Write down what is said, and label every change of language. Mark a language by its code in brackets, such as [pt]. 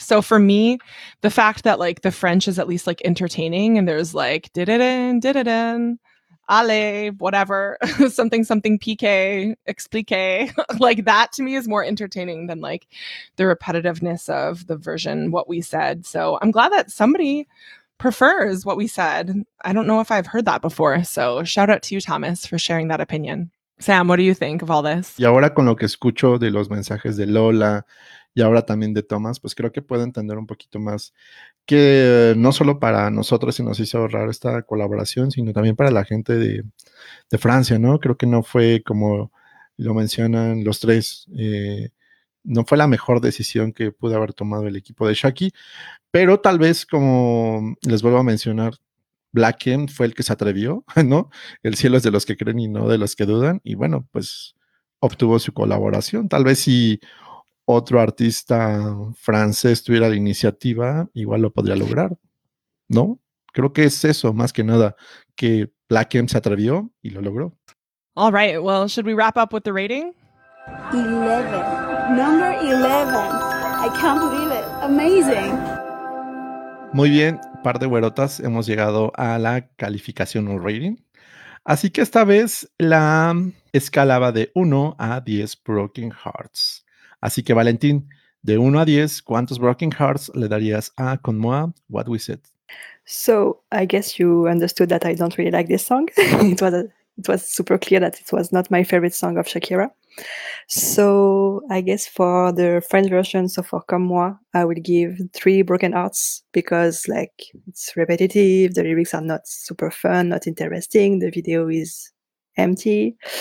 [en] So for me, the fact that like the French is at least like entertaining and there's like did-da-din, allez, whatever, something, something, pique, explique, like that to me is more entertaining than like the repetitiveness of the version, what we said. So I'm glad that somebody prefers what we said. I don't know if I've heard that before. So shout out to you, Thomas, for sharing that opinion. Sam, what do you think of all this? [es] Y ahora con lo que escucho de los mensajes de Lola y ahora también de Thomas, pues creo que puedo entender un poquito más que no solo para nosotros se nos hizo raro esta colaboración, sino también para la gente de Francia, ¿no? Creo que no fue, como lo mencionan los tres, no fue la mejor decisión que pudo haber tomado el equipo de Shaki, pero tal vez, como les vuelvo a mencionar, Black M fue el que se atrevió, ¿no? El cielo es de los que creen y no de los que dudan. Y bueno, pues obtuvo su colaboración. Tal vez si otro artista francés tuviera la iniciativa, igual lo podría lograr, ¿no? Creo que es eso, más que nada, que Black M se atrevió y lo logró. [en] All right, well, should we wrap up with the rating? 11. Number 11. I can't believe it. Amazing. [es] Muy bien, par de güerotas, hemos llegado a la calificación o rating. Así que esta vez la escala va de 1 a 10 Broken Hearts. Así que Valentín, de 1 a 10, ¿cuántos Broken Hearts le darías a Con Moi, What We Said? [en] So, I guess you understood that I don't really like this song. It was super clear that it was not my favorite song of Shakira. So, I guess for the French version, so for Comme Moi, I would give 3 Broken Hearts because, like, it's repetitive, the lyrics are not super fun, not interesting, the video is empty.